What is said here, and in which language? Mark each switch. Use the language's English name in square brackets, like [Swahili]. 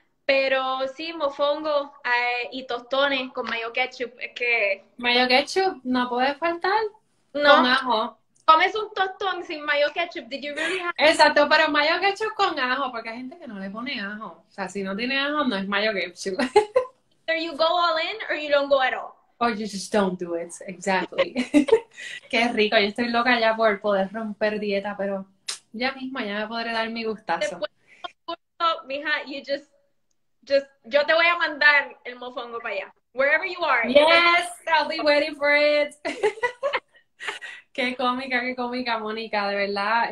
[Spanish] Pero sí, mofongo y tostones con mayo ketchup. Es que mayo ketchup no puede faltar. No. Con ajo. Comes un tostón sin mayo ketchup. [English] Did you really have? [Spanish] Exacto, pero mayo ketchup con ajo, porque hay gente que no le pone ajo. O sea, si no tiene ajo, no es mayo ketchup. [English] Either you go all in or you don't go at all. Or you just don't do it, exactly. [Spanish] Qué rico, yo estoy loca ya por poder romper dieta, pero ya mismo ya me podré dar mi gustazo. Mija, [English] you just, [Spanish] yo te voy a mandar el mofongo para allá. [English] Wherever you are, Yes, I'll be waiting for it. [Spanish] qué cómica, Mónica, de verdad.